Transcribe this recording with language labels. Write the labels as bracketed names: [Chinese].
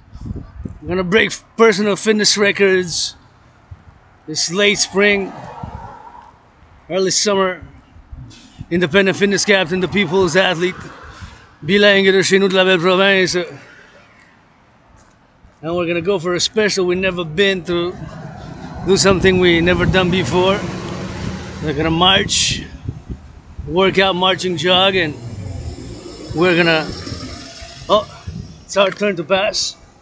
[English] I'm gonna break personal fitness records this late spring, early summer. Independent fitness captain, the people's athlete. [French] Bilingue de chez nous de la belle province. [English] And we're gonna go for a special we've never been to. Do something we never done before. We're gonna march, work out marching jog, and we're gonna, oh, it's our turn to pass.